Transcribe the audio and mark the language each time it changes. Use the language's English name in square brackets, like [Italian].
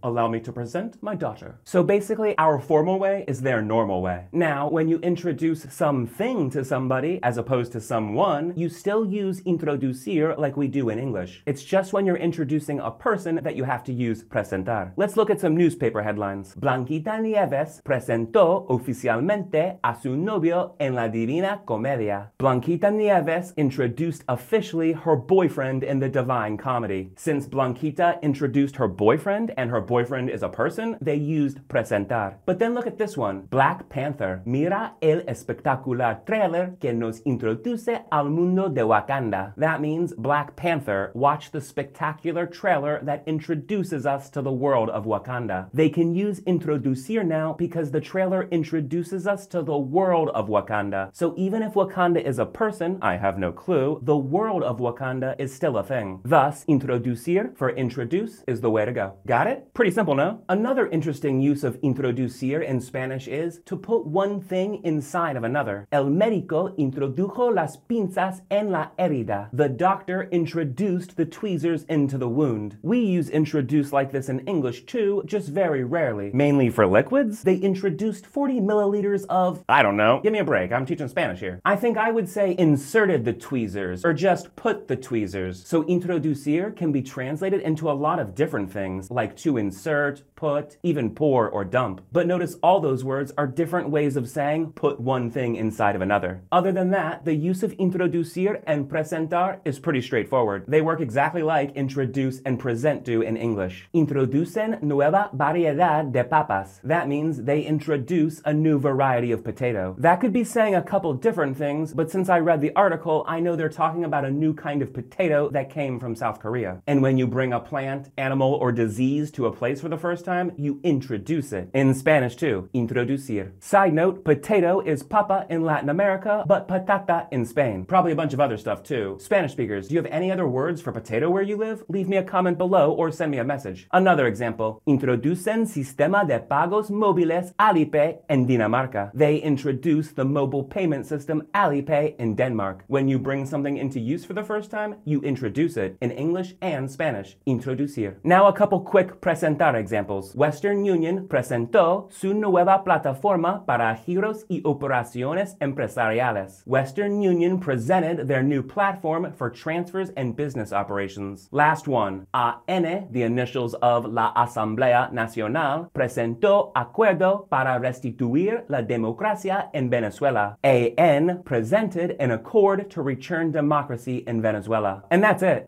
[English] Allow me to present my daughter. So basically, our formal way is their normal way. Now, when you introduce something to somebody, as opposed to someone, you still use introducir like we do in English. It's just when you're introducing a person that you have to use presentar. Let's look at some newspaper headlines. [Spanish] Blanquita Nieves presentó oficialmente a su novio en la Divina Comedia. [English] Blanquita Nieves introduced officially her boyfriend in the Divine Comedy. Since Blanquita introduced her boyfriend and her boyfriend is a person, they used presentar. But then look at this one. Black Panther. [Spanish] Mira el espectacular trailer que nos introduce al mundo de Wakanda. [English] That means Black Panther, watch the spectacular trailer that introduces us to the world of Wakanda. They can use introducir now because the trailer introduces us to the world of Wakanda. So even if Wakanda is a person, I have no clue, the world of Wakanda is still a thing. Thus, introducir for introduce is the way to go. Got it? Pretty simple, no? Another interesting use of introducir in Spanish is to put one thing inside of another. [Spanish] El médico introdujo las pinzas en la herida. [English] The doctor introduced the tweezers into the wound. We use introduce like this in English too, just very rarely. Mainly for liquids? They introduced 40 milliliters of, I don't know, give me a break, I'm teaching Spanish here. I think I would say inserted the tweezers, or just put the tweezers. So introducir can be translated into a lot of different things, like to insert, put, even pour or dump. But notice all those words are different ways of saying put one thing inside of another. Other than that, the use of introducir and presentar is pretty straightforward. They work exactly like introduce and present do in English. [Spanish] Introducen nueva variedad de papas. [English] That means they introduce a new variety of potato. That could be saying a couple different things, but since I read the article, I know they're talking about a new kind of potato that came from South Korea. And when you bring a plant, animal, or disease to a place for the first time, you introduce it. In Spanish too, introducir. Side note, potato is papa in Latin America, but patata in Spain. Probably a bunch of other stuff too. Spanish speakers, do you have any other words for potato where you live? Leave me a comment below or send me a message. Another example, [Spanish] introducen sistema de pagos móviles Alipay en Dinamarca. [English] They introduce the mobile payment system Alipay in Denmark. When you bring something into use for the first time, you introduce it in English and Spanish. Introducir. Now a couple quick presentar examples. [Spanish] Western Union presentó su nueva plataforma para giros y operaciones empresariales. [English] Western Union presented their new platform for transfers and business operations. Last one. AN, the initials of La Asamblea Nacional, [Spanish] presentó acuerdo para restituir la democracia en Venezuela. [English] AN presented an accord to return democracy in Venezuela. And that's it.